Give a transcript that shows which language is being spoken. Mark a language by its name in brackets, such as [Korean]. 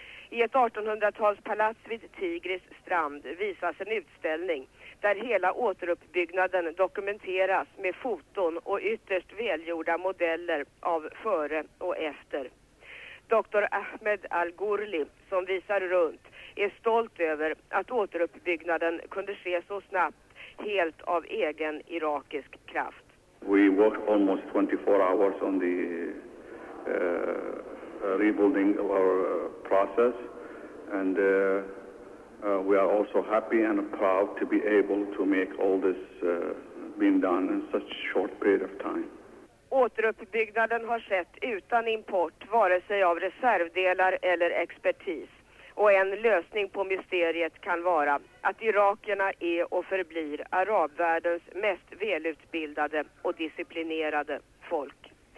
[Swedish] I ett 1800-talspalats vid Tigris strand visas en utställning där hela återuppbyggnaden dokumenteras med foton och ytterst välgjorda modeller av före och efter. Dr. Ahmed al-Ghurli, som visar runt, är stolt över att återuppbyggnaden kunde ske så snabbt, helt av egen irakisk kraft. [English] We work almost 24 hours on the rebuilding of our process, and we are also happy and proud to be able to make all this been done in such a short period of time. [Swedish] Återuppbyggnaden har skett utan import, vare sig av reservdelar eller expertis. Och en lösning på mysteriet kan vara att irakierna är och förblir arabvärldens mest välutbildade och disciplinerade folk.